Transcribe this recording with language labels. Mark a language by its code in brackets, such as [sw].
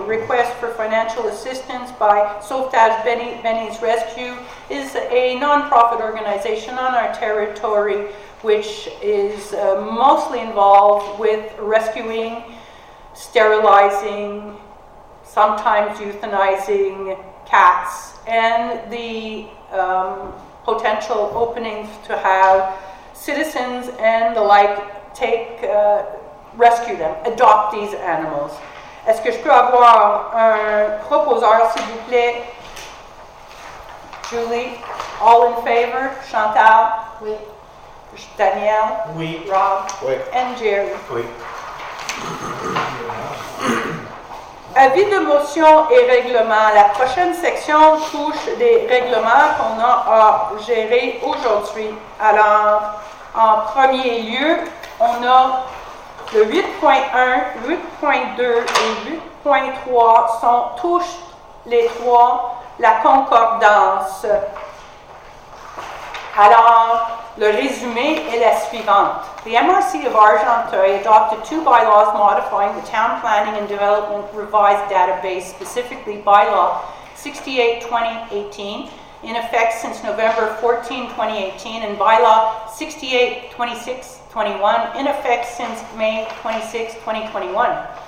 [en] Request for financial assistance by Sauvetage Benny's Rescue is a non-profit organization on our territory which is mostly involved with rescuing, sterilizing, sometimes euthanizing cats, and the potential openings to have citizens and the like take, rescue them, adopt these animals. [fr] Est-ce que je peux avoir un proposeur, s'il vous plaît? [en] Julie, all in favor? Chantal? [fr] Oui. Danielle? Oui. Rob? Oui. [en] And Jerry? [fr] Oui. Avis de motion et règlement. La prochaine section touche des règlements qu'on a à gérer aujourd'hui. Alors, en premier lieu, on a le 8.1, 8.2 et 8.3 sont touche les trois, la concordance. Alors, le résumé est la suivante. [en] The MRC of Argenteuil adopted two bylaws modifying the Town Planning and Development Revised Database, specifically Bylaw 68-2018, in effect since November 14, 2018, and Bylaw 68-26-21, in effect since May 26, 2021.